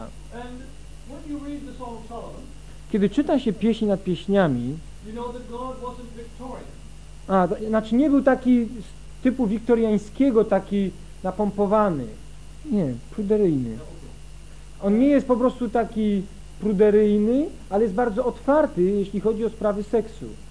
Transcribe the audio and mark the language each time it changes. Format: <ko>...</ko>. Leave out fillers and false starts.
<en>And when you read the Song of Solomon,</en> <pl>kiedy czyta się pieśni nad pieśniami,</pl> <en>you know that God wasn't victorious.</en> <pl>Nie był taki typu wiktoriańskiego, taki napompowany. Nie, pruderyjny. On nie jest po prostu taki pruderyjny, ale jest bardzo otwarty, jeśli chodzi o sprawy seksu.</pl>